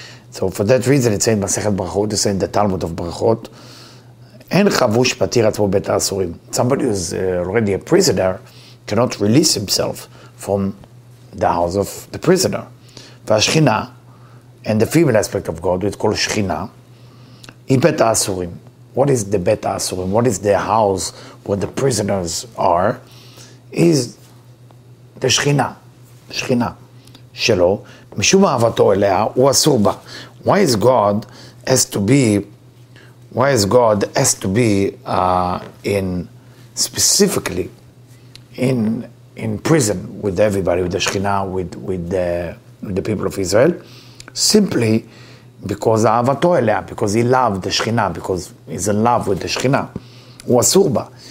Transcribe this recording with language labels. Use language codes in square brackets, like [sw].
[en] So for that reason, it's saying Masechet Brachot, it's saying the Talmud of Brachot, [he] En chavush patir atzmo bet ha'asurim. [en] Somebody who's already a prisoner, cannot release himself from the house of the prisoner. [he] והשכינה, [en] and the female aspect of God, it's called שכינה, [he] היא בית האסורים. [en] What is the בית האסורים? What is the house where the prisoners are? Is the [he] שכינה, שכינה שלו, משום אהבתו אליה, הוא אסור בה. [en] Why is God has to be, in specifically, in prison with everybody, with the Shekhinah, with the people of Israel, simply because [he] Ahavato Eleah, [en] because he loved the Shekhinah, because he's in love with the Shekhinah. [he] Hu asur ba.